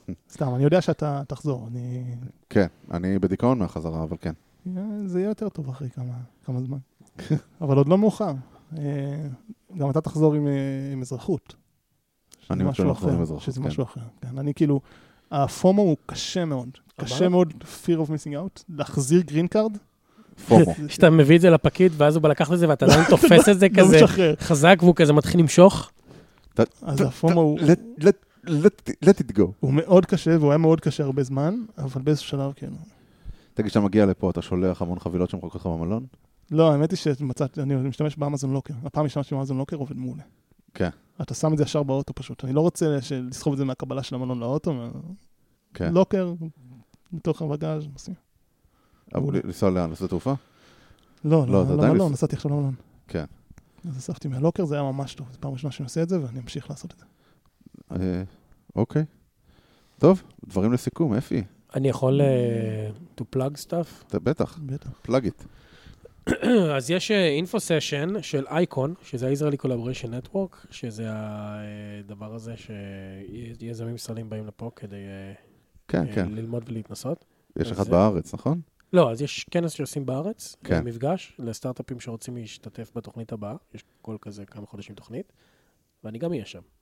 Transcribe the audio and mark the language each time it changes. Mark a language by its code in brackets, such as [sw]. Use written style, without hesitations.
[he] סתם, אני יודע שאתה תחזור, אני... כן, אני בדיכאון מהחזרה, אבל כן. זה יהיה יותר טוב אחרי כמה זמן. אבל עוד לא מאוחר. גם אתה תחזור עם אזרחות. אני רוצה לחזור עם אזרחות, כן. שזה משהו אחר. אני כאילו, הפומו הוא קשה מאוד. קשה מאוד, [en] fear of missing out, [he] להחזיר green card. פומו. שאתה מביא את זה לפקיד, ואז הוא בלקח לזה, ואתה לא תופס את זה כזה חזק, והוא כזה מתחיל למשוך. אז הפומו הוא... [en] let it go. [he] הוא מאוד קשה, והוא היה מאוד קשה הרבה זמן, אבל באיזשהו שלב, כן. תגיד, כשאתה מגיע לפה, אתה שולח המון חבילות שמחכות לך במלון? לא, האמת היא שמצאתי, אני משתמש באמזון לוקר. הפעם משתמש באמזון לוקר, עובד מעולה. כן. אתה שם את זה ישר באוטו פשוט. אני לא רוצה לסחוב את זה מהקבלה של המלון לאוטו. כן. לוקר, בתוך הבגאז' מסיים. אבל לנסוע לאן? לעשות תעופה? לא, לא, למלון. נסעתי עכשיו למלון. כן. אז אספתי מהלוקר, זה היה ממש טוב. זו פעם ראשונה שאני עושה את זה, ואני אמשיך לעשות את זה. אוקיי. טוב, דברים לסיכום, איפה היא? אני יכול [en] to plug stuff? [he] אתה בטח. בטח. [en] plug it. [he] אז יש אינפו סשן של אייקון, שזה ה-Israeli Collaboration Network, שזה הדבר הזה שיזמים ישראלים באים לפה כדי ללמוד ולהתנסות. יש אחד בארץ, נכון? לא, אז יש כנס שעושים בארץ, מפגש לסטארט-אפים שרוצים להשתתף בתוכנית הבאה, יש כל כזה כמה חודשים תוכנית, ואני גם אהיה שם.